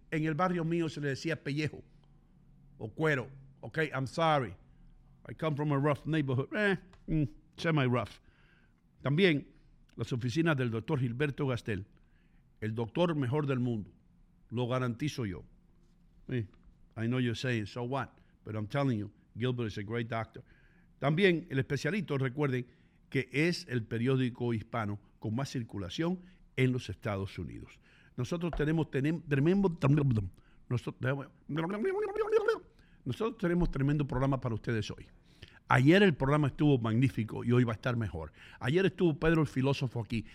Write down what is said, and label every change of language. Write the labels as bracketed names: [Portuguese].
[Spanish] En el barrio mío se le decía pellejo o cuero. [English] Okay, I'm sorry. I come from a rough neighborhood. Semi-rough. [Spanish] También las oficinas del doctor Gilberto Gastel, el doctor mejor del mundo, lo garantizo yo. [English] I know you're saying, so what? But I'm telling you, Gilbert is a great doctor. [Spanish] También el especialito, recuerden, que es el periódico hispano con más circulación en los Estados Unidos. Nosotros tenemos tremendo programa para ustedes hoy. Ayer el programa estuvo magnífico y hoy va a estar mejor. Ayer estuvo Pedro el filósofo aquí.